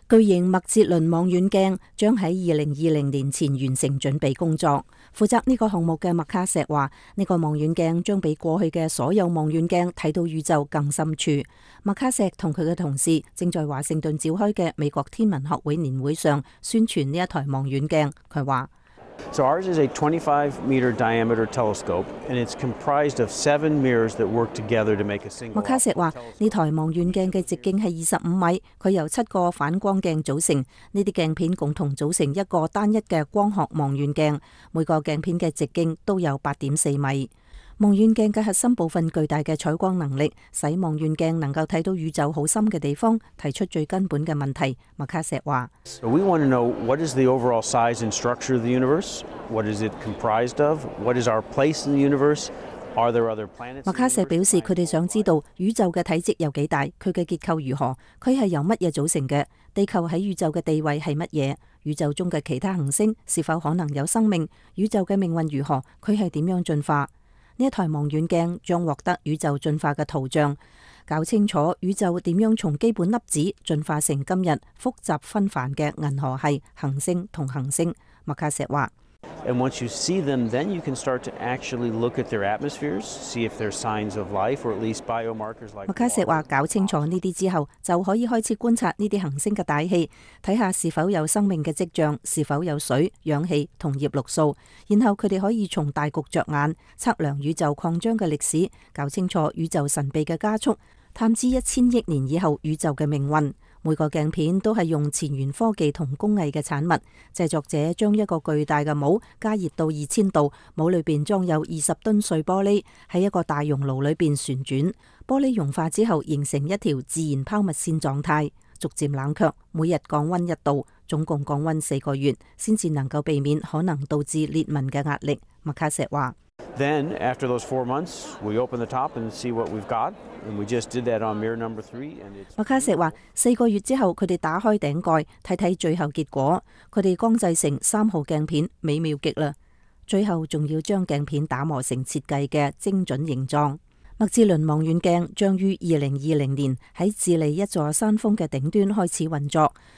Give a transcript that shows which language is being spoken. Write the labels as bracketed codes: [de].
[zh] 巨型麦哲伦望远镜将在2020年前完成准备工作。负责这个项目的麦卡锡说，这个望远镜将比过去的所有望远镜看到宇宙更深处。麦卡锡和他的同事正在华盛顿召开的美国天文学会年会上宣传这一台望远镜。他说， [en] So ours is a 25-meter diameter telescope, and it's comprised of seven mirrors that work together to make a single. [zh] 麦卡锡说，这台望远镜的直径是25米，它由七个反光镜组成，这些镜片共同组成一个单一的光学望远镜，每个镜片的直径都有8.4米。望远镜的核心部分巨大的采光能力，使望远镜能够看到宇宙很深的地方，提出最根本的问题。麦卡锡说， [en] So we want to know what is the overall size and structure of the universe? What is it comprised of? What is our place in the universe? Are there other planets? [zh] 麦卡锡表示，他们想知道宇宙的体积有多大，它的结构如何，它是由什么组成的，地球在宇宙的地位是什么，宇宙中的其他行星是否可能有生命，宇宙的命运如何，它是怎样进化。这台望远镜将获得宇宙进化的图像，搞清楚宇宙如何从基本粒子进化成今日复杂纷繁的银河系、行星和恒星。麦卡锡说， [en] And once you see them, then you can start to actually look at their atmospheres, see if there are signs of life or at least biomarkers like. [zh] 麦卡锡说，搞清楚这些之后，就可以开始观察这些行星的大气，看看是否有生命的迹象，是否有水、氧气和叶绿素，然后他们可以从大局着眼，测量宇宙扩张的历史，搞清楚宇宙神秘的加速，探知1000亿年以后宇宙的命运。每个镜片都是用前沿科技和工艺的产物，制作者将一个巨大的帽加热到2000度，帽里面装有20吨碎玻璃，在一个大熔炉里面旋转，玻璃融化之后形成一条自然抛物线状态，逐渐冷却，每日降温1度，总共降温4个月，才能够避免可能导致裂纹的压力。麦卡锡说， [en] Then after those 4 months, we open the top and see what we've got. And we just did that on mirror number 3. [zh] 麦卡锡说，4个月之后，他们打开顶盖，看看最后结果。他们光制成3号镜片，美妙极了。最后还要将镜片打磨成设计的精准形状。麦哲伦望远镜将于2020年在智利一座山峰的顶端开始运作。